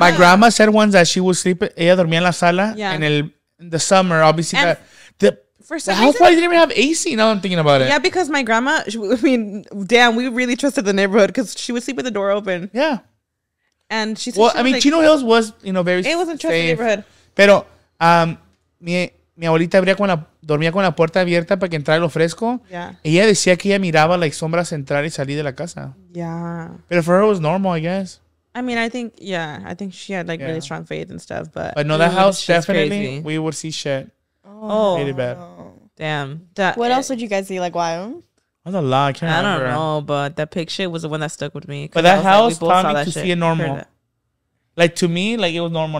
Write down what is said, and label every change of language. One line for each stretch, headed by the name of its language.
English: my grandma said once that she was sleeping.
Spanish: Ella dormía en la sala.
English: Yeah. In the summer, obviously. And the house probably didn't even have AC. Now I'm thinking about it. Yeah, because my grandma, we really trusted the neighborhood because she would sleep with the door open. Yeah. And she said, well, she I mean, like, Chino Hills was, you know, very safe. It wasn't trusted neighborhood.
Spanish: Pero, mi abuelita dormía con la puerta abierta para que entrara lo fresco.
English: Yeah.
Spanish: Ella decía que ella miraba like sombras entrar y salir de la casa.
English: Yeah.
Spanish: Pero
English: for her it was normal, I guess. I mean, I think she had like really strong faith and stuff, but. But no, that house definitely, we would see shit. Oh. Really bad. Damn. What else would you guys see? Like, why? That's a lot. I can't remember. I don't know, but that pig shit was the one that stuck with me. But that house taught me to see it normal. Like, to me, like, it was normal.